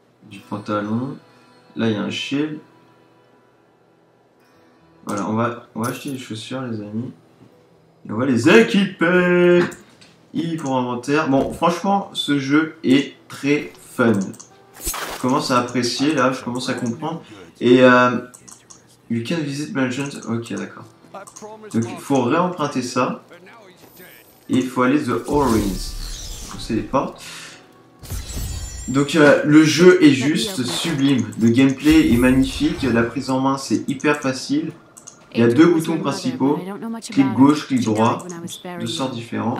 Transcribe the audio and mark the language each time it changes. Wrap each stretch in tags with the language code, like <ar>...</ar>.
<fr>Du pantalon. Là, il y a un shield. Voilà, on va acheter des chaussures, les amis. On va les équiper pour inventaire. Bon, franchement, ce jeu est très fun. Je commence à apprécier, là, je commence à comprendre. Et,</fr> <en>you can visit mansions.</en> <fr>Ok, d'accord. Donc, il faut réemprunter ça. Et il faut aller The Orins. C'est les portes. Donc, le jeu est juste sublime. Le gameplay est magnifique. La prise en main, c'est hyper facile. Il y a deux boutons principaux, clic gauche, clic droit, deux sorts différents.</fr>